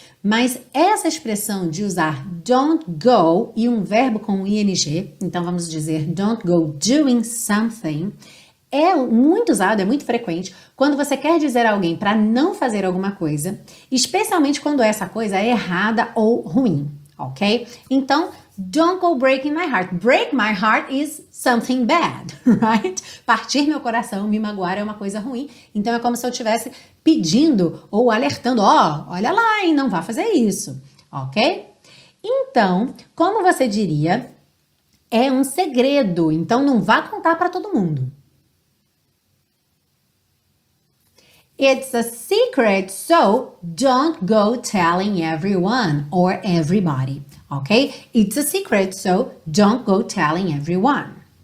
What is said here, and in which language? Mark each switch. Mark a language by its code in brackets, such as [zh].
[pt] Mas essa expressão de usar don't go e um verbo com ing, então vamos dizer [en] don't go doing something, [pt] é muito usado, é muito frequente, quando você quer dizer a alguém para não fazer alguma coisa, especialmente quando essa coisa é errada ou ruim, ok? Então, [en] don't go breaking my heart. Break my heart is something bad, right? [pt] Partir meu coração, me magoar é uma coisa ruim, então é como se eu estivesse pedindo ou alertando, ó, olha lá, hein, não vá fazer isso, ok? Então, como você diria, é um segredo, então não vá contar para todo mundo. [en] It's a secret, so don't go telling everyone or everybody, ok? It's a secret, so don't go telling everyone.